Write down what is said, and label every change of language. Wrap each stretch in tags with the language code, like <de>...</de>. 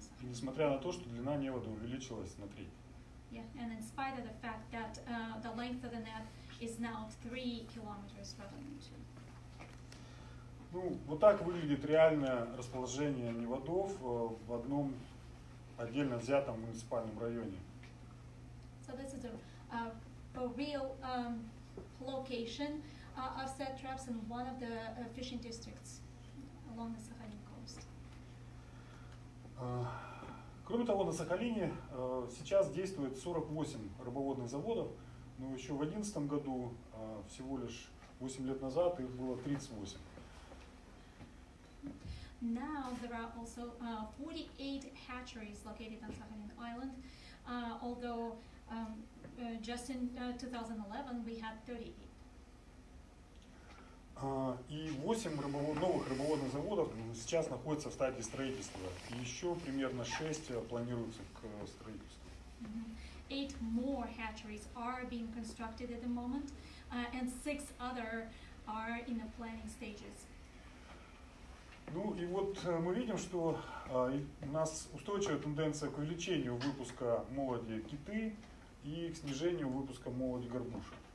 <ru>И несмотря на то, что длина невода увеличилась на треть.</ru> <en>Yeah, and in spite of the fact that the length of the net is now 3 kilometers rather than 2.</en> <ru>Ну, вот так выглядит реальное расположение неводов в одном отдельно взятом муниципальном районе.</ru> <en>So this is a real location of set traps in one of the fishing districts along the Sakhalin coast.</en> <ru>Кроме того, на Сахалине сейчас действует 48 рыбоводных заводов, но еще в 2011 году всего лишь 8 лет назад их было 38.</ru> <en>Now there are also 48 hatcheries located on Sakhalin Island, although just in 2011 we had 38.</en> <ru>И 8 новых рыбоводных заводов сейчас находятся в стадии строительства. Еще примерно 6 планируются к строительству. Mm-hmm.</ru> <en>8 more hatcheries are being constructed at the moment, and 6 other are in the planning stages.</en> <ru>Ну и вот мы видим, что у нас устойчивая тенденция к увеличению выпуска молоди киты и к снижению выпуска молоди горбуши.</ru>